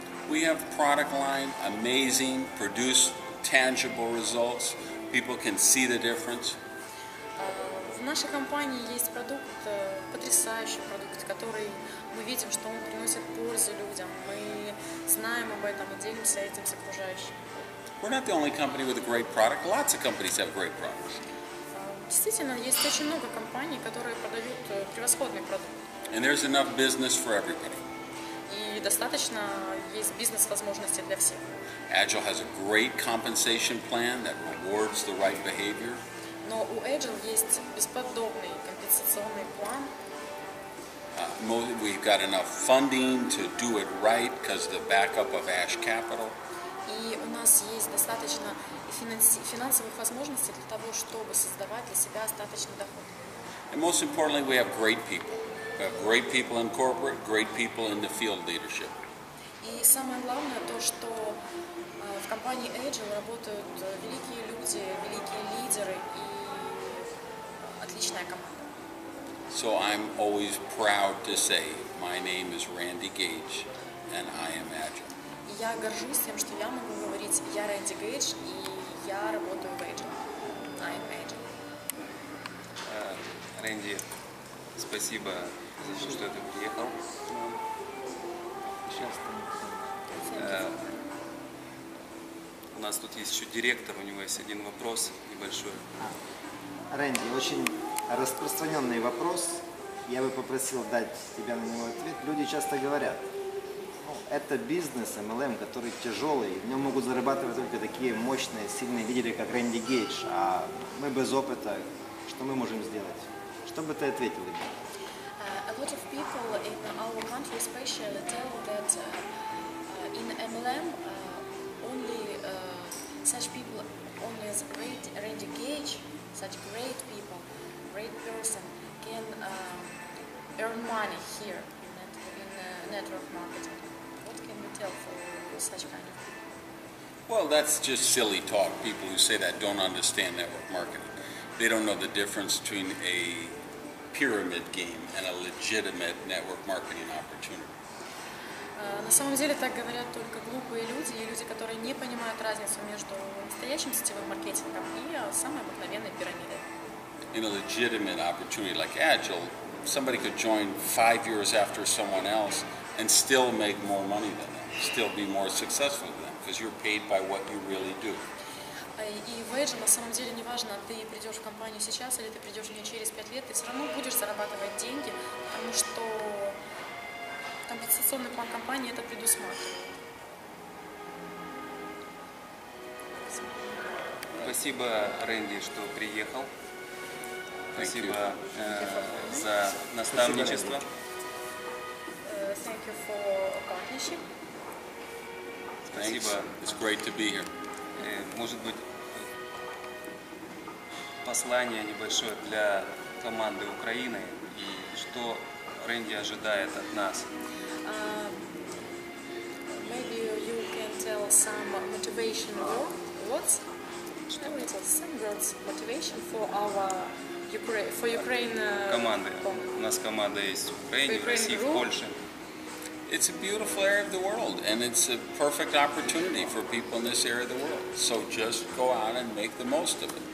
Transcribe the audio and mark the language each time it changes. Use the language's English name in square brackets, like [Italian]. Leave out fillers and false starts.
[English] We have product line, amazing, produce tangible results. People can see the difference. [Russian] В нашей компании есть продукт, потрясающий продукт, который мы видим, что он приносит пользу людям. Мы знаем об этом и делимся этим с окружающими. [English] We're not the only company with a great product. Lots of companies have great products. [Russian] Действительно, есть очень много компаний, которые продают превосходный продукт. [English] And there's enough business for everybody. [Russian] И достаточно есть бизнес-возможности для всех. [English] Agile has a great compensation plan that rewards the right behavior. [Russian] Но у Agile есть бесподобный компенсационный план. [English] We've got enough funding to do it right because the backup of Ash Capital. [Russian] И у нас есть достаточно финансовых возможностей для того, чтобы создавать для себя остаточный доход. [English] And most importantly, we have great people. We have great people in corporate, great people in the field leadership. [Russian] И самое главное то, что в компании Agile работают великие люди, великие лидеры и отличная команда. [English] So I'm always proud to say my name is Randy Gage and I am Agile. [Russian] Я горжусь тем, что я могу говорить, я Randy Gage и я работаю в Agile. [English] I am Agile. [Russian] Randy, спасибо. Зачем, что ты приехал? Сейчас. У нас тут есть еще директор, у него есть один вопрос небольшой. Рэнди, очень распространенный вопрос. Я бы попросил дать тебе на него ответ. Люди часто говорят, это бизнес MLM, который тяжелый, в нем могут зарабатывать только такие мощные, сильные лидеры, как Рэнди Гейдж. А мы без опыта, что мы можем сделать? Что бы ты ответил им? [English] A lot of people in our country especially tell that in MLM only such people, only as great Randy Gage, such great people, great person can earn money here in network marketing. What can you tell for such kind of people? Well, that's just silly talk. People who say that don't understand network marketing. They don't know the difference between a pyramid game and a legitimate network marketing opportunity. [Russian] На самом деле так говорят только глупые люди и люди, которые не понимают разницу между настоящим сетевым маркетингом и самой обыкновенной пирамидой. [English] In a legitimate opportunity like Agile, somebody could join 5 years after someone else and still make more money than them, still be more successful than them, because you're paid by what you really do. [Russian] И в Agile на самом деле неважно, ты придешь в компанию сейчас или ты придешь в нее через 5 лет, ты все равно будешь зарабатывать деньги, потому что компенсационный план компании это предусматривает. Спасибо, Рэнди, что приехал. Спасибо за наставничество. [English] Thank you for accompanying. [Russian] Спасибо. [English] It's great to be here. [Russian] может быть, послание небольшое для команды Украины и что Рэнди ожидает от нас? [English] Maybe you can tell some motivation words. Some words motivation for our [Russian] команды. У нас команда есть в Украине, в России, в Польше. [English] It's a beautiful area of the world, and it's a perfect opportunity for people in this area of the world. So just go out and make the most of it.